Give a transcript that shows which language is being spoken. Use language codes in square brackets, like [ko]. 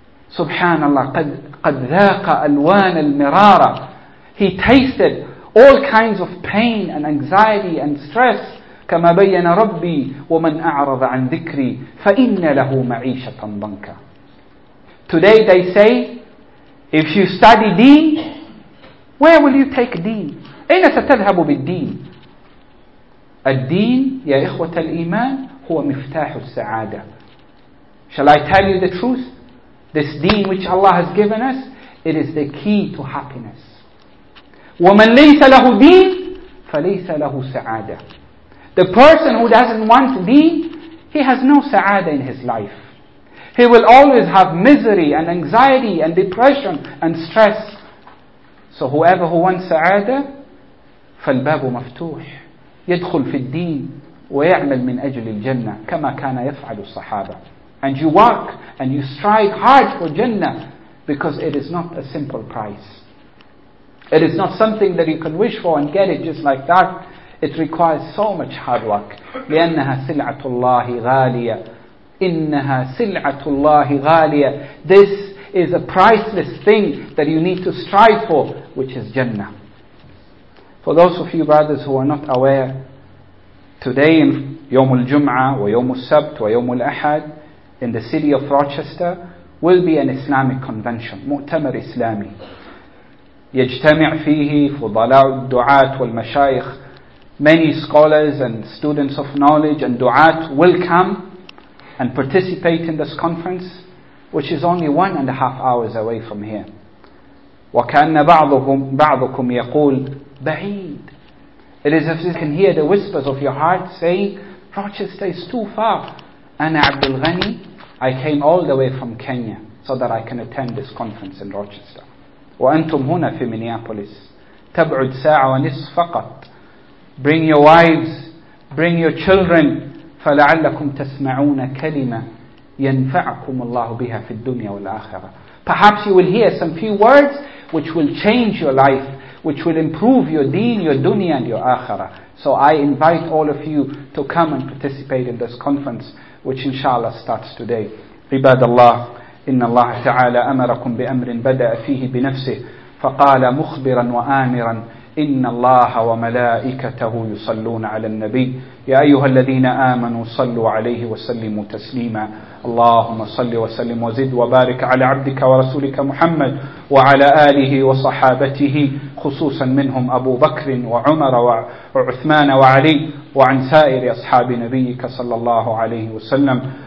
[ar] سبحان الله, قد ذاق ألوان المرارة. [en] He tasted all kinds of pain and anxiety and stress. [ar] كما بين ربي ومن أعرض عن ذكري فإن له معيشة ضنكا. [en] Today they say, if you study deen, where will you take deen? [ar] أين ستذهب بالدين؟ الدين يا إخوة الإيمان هو مفتاح السعادة. [en] Shall I tell you the truth? This deen which Allah has given us, it is the key to happiness. [ar] ومن ليس له دين فليس له سعادة. [en] The person who doesn't want deen, he has no sa'ada in his life. He will always have misery and anxiety and depression and stress. So whoever who wants sa'ada, [ar] فَالْبَابُ مَفْتُوحُ يَدْخُلْ فِي الدِّينِ وَيَعْمَلْ مِنْ أَجْلِ الْجَنَّةِ كَمَا كَانَ يَفْعَلُ الصَّحَابَةِ. [en] And you work and you strive hard for Jannah because it is not a simple price. It is not something that you can wish for and get it just like that. It requires so much hard work. [ar] لأنها سلعة الله غالية. إنها سلعة الله غالية. [en] This is a priceless thing that you need to strive for, which is Jannah. For those of you brothers who are not aware, today in [ar] يوم الجمعة ويوم السبت ويوم الأحد [en] in the city of Rochester will be an Islamic convention, [ar] مؤتمر إسلامي. يجتمع فيه فضلاء الدعاة والمشايخ. [en] Many scholars and students of knowledge and du'at will come and participate in this conference, which is only 1.5 hours away from here. [ar] وَكَأَنَّ بَعْضُكُمْ يَقُولُ بَعِيدٌ. [en] It is as if you can hear the whispers of your heart saying, Rochester is too far. [ar] أَنَا عَبْدُ الْغَنِي. [en] I came all the way from Kenya so that I can attend this conference in Rochester. [ar] وَأَنْتُمْ هُنَا فِي مِنْيَابُلِسْ. تَبْعُدْ سَاعَ وَنِصْ فَقَطْ. [en] Bring your wives, bring your children. [ar] فَلَعَلَّكُمْ تَسْمَعُونَ كَلِمَةً يَنْفَعَكُمُ اللَّهُ بِهَا فِي الدُّنْيَا وَالْآخِرَةِ. [en] Perhaps you will hear some few words which will change your life, which will improve your deen, your dunya and your akhirah. So I invite all of you to come and participate in this conference, which inshallah starts today. [ar] عباد الله, إن الله تعالى أمركم بأمر بدأ فيه بنفسه فقال مخبرا وآمرا إن الله وملائكته يصلون على النبي يا أيها الذين آمنوا صلوا عليه وسلموا تسليما اللهم صل وسلم وزد وبارك على عبدك ورسولك محمد وعلى آله وصحابته خصوصا منهم أبو بكر وعمر وعثمان وعلي وعن سائر أصحاب نبيك صلى الله عليه وسلم